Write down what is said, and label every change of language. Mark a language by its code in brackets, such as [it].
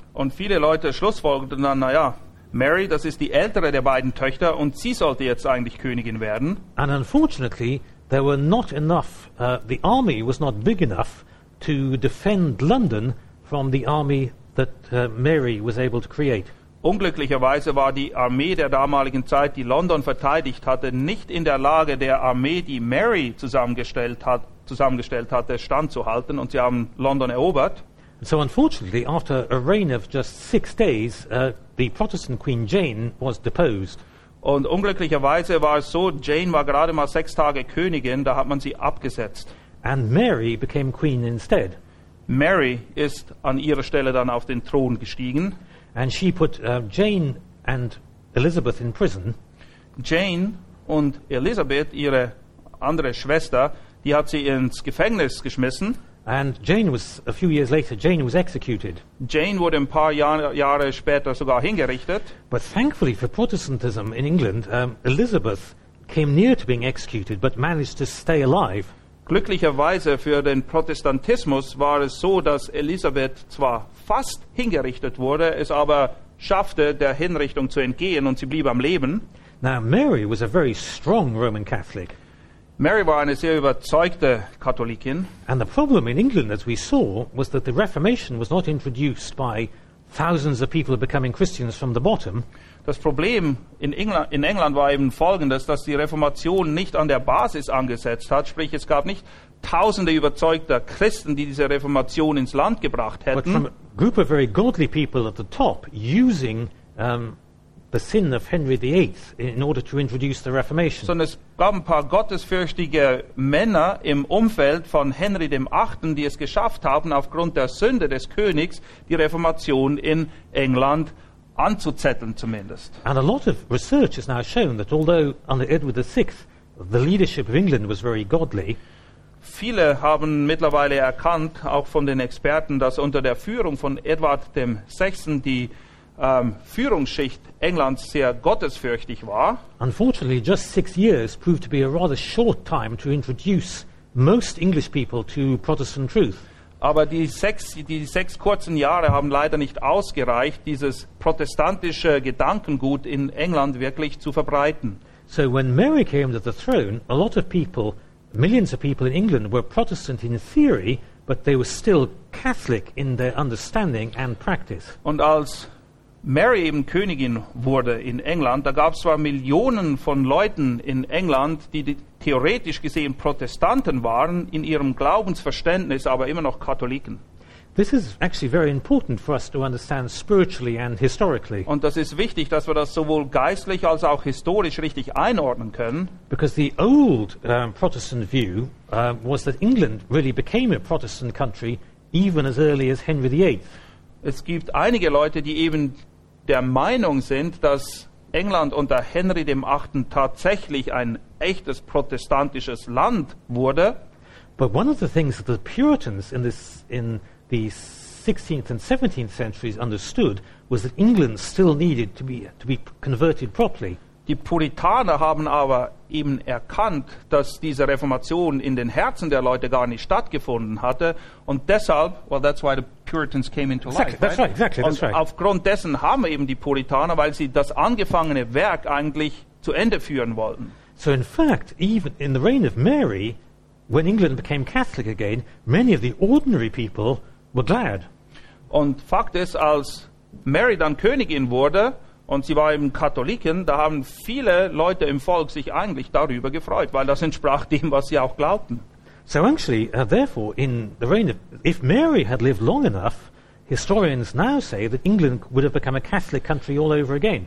[de] Und viele Leute schlussfolgerten dann, naja, Mary, das ist die ältere der beiden Töchter und sie sollte jetzt eigentlich Königin werden. [en] And unfortunately, there were not enough, the army was not big enough to defend London from the army that Mary was able to create. [de] Unglücklicherweise war die Armee der damaligen Zeit, die London verteidigt hatte, nicht in der Lage, der Armee, die Mary zusammengestellt hatte, standzuhalten, und sie haben London erobert. [en] And so unfortunately, after a reign of just 6 days, the Protestant Queen Jane was deposed. [de] Und unglücklicherweise war es so, Jane war gerade mal 6 Tage Königin, da hat man sie abgesetzt. [en] and Mary became queen instead. [de] Mary ist an ihrer Stelle dann auf den Thron gestiegen. [en] And she put Jane and Elizabeth in prison. [de] Jane und Elizabeth, ihre andere Schwester, die hat sie ins Gefängnis geschmissen. [en] And Jane was a few years later. Jane was executed. [de] Jane wurde ein paar Jahre später sogar hingerichtet. [en] But thankfully for Protestantism in England, Elizabeth came near to being executed, but managed to stay alive. [de] Glücklicherweise für den Protestantismus war es so, dass Elisabeth zwar fast hingerichtet wurde, es aber schaffte, der Hinrichtung zu entgehen, und sie blieb am Leben. [en] Now Mary was a very strong Roman Catholic. [de] Mary war eine sehr überzeugte Katholikin. [en] And the problem in England, as we saw, was that the Reformation was not introduced by thousands of people becoming Christians from the bottom. [de] Das Problem in England war eben folgendes, dass die Reformation nicht an der Basis angesetzt hat, sprich es gab nicht tausende überzeugter Christen, die diese Reformation ins Land gebracht hätten. [en] But from a group of very godly people at the top using the sin of Henry VIII in order to introduce the Reformation. [de] Sondern es gab ein paar gottesfürchtige Männer im Umfeld von Henry VIII, die es geschafft haben, aufgrund der Sünde des Königs die Reformation in England anzuzetteln zumindest. [en] And a lot of research has now shown that although under Edward VI the leadership of England was very godly. [de] Viele haben mittlerweile erkannt, auch von den Experten, dass unter der Führung von Edward VI die Führungsschicht Englands sehr gottesfürchtig war. [en] Unfortunately, just 6 years proved to be a rather short time to introduce most English people to Protestant truth. [de] Aber die sechs kurzen Jahre haben leider nicht ausgereicht, dieses protestantische Gedankengut in England wirklich zu verbreiten. [en] So when Mary came to the throne, a lot of people, millions of people in England were Protestant in theory, but they were still Catholic in their understanding and practice. [de] Und als Mary eben Königin wurde in England, da gab es zwar Millionen von Leuten in England, die theoretisch gesehen Protestanten waren, in ihrem Glaubensverständnis aber immer noch Katholiken. [en] This is actually very important for us to understand spiritually and historically. [de] Und das ist wichtig, dass wir das sowohl geistlich als auch historisch richtig einordnen können. [en] Because the old Protestant view was that England really became a Protestant country even as early as Henry VIII. [de] Es gibt einige Leute, die eben der Meinung sind, dass England unter Henry VIII tatsächlich ein echtes protestantisches Land wurde. [en] But one of the things that the Puritans in the 16th and 17th centuries understood was that England still needed to be converted properly. [de] Die Puritaner haben aber eben erkannt, dass diese Reformation in den Herzen der Leute gar nicht stattgefunden hatte, und deshalb, [en] well, that's why the Puritans came into exactly, life, right? That's right, exactly, that's [de] und [en] right. [de] Aufgrund dessen haben eben die Puritaner, weil sie das angefangene Werk eigentlich zu Ende führen wollten. [en] So in fact, even in the reign of Mary, when England became Catholic again, many of the ordinary people were glad. [de] Und Fakt ist, als Mary dann Königin wurde, und sie war eben Katholikin, da haben viele Leute im Volk sich eigentlich darüber gefreut, weil das entsprach dem, was sie auch glaubten. [en] So actually, therefore, in the reign of, if Mary had lived long enough, historians now say that England would have become a Catholic country all over again.